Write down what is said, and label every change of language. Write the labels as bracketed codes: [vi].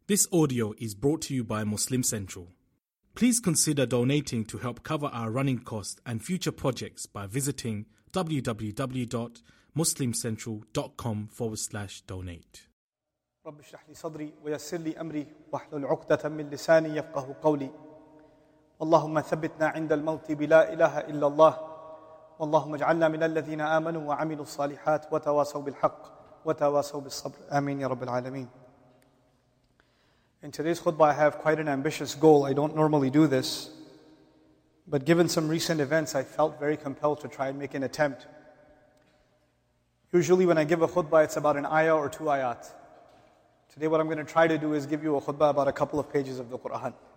[en] This audio is brought to you by Muslim Central. Please consider donating to help cover our running costs and future projects by visiting www.muslimcentral.com/donate. [ar] رب اشرح لي صدري ويسر لي امري واحلل عقدة من لساني يفقهوا قولي. اللهم ثبتنا عند الموت بلا اله الا الله. اللهم اجعلنا من الذين امنوا وعملوا الصالحات وتواصوا بالحق وتواصوا بالصبر. امين يا رب العالمين. [en] In today's khutbah, I have quite an ambitious goal. I don't normally do this, but given some recent events, I felt very compelled to try and make an attempt. Usually when I give a khutbah, it's about an ayah or two ayat. Today what I'm going to try to do is give you a khutbah about a couple of pages of the Qur'an.